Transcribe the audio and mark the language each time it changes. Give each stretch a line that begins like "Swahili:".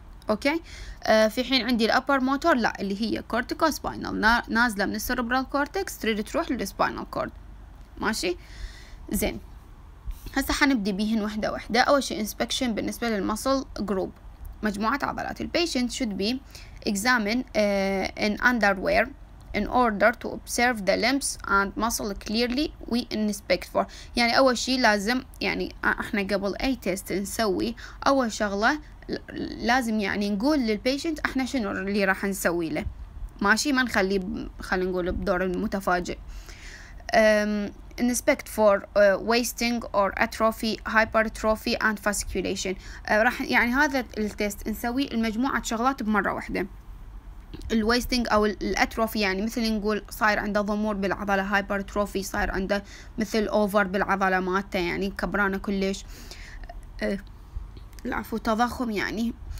Arabic: أوكي، في حين عندي الأبر موتور لا، اللي هي cortical spinal نازلة من السربرال كورتكس تريد تروح للسباينال كورد. ماشي، زين هسه حنبدي بيهن واحدة واحدة. أول شيء inspection بالنسبة للمسل جروب، مجموعة عضلات. البيشنت
English: should be examined in underwear in order to observe the limbs and muscle clearly we inspect for.
Arabic: يعني أول شيء لازم يعني إحنا قبل أي تيست نسوي أول شغلة لازم يعني نقول للبيشنت إحنا شنو اللي راح نسوي له. ماشي ما نخلي خلينا نقول بدور المتفاجئ.
English: Inspect for wasting or atrophy, hypertrophy and fasciculation.
Arabic: راح يعني هذا التست نسوي المجموعة شغلات بمرة واحدة. الويستنج او الاتروفي يعني مثل نقول صاير عنده ضمور بالعضله، هايبرتروفي صاير عنده مثل اوفر بالعضله مالته يعني كبرانه كلش، العفو تضخم يعني.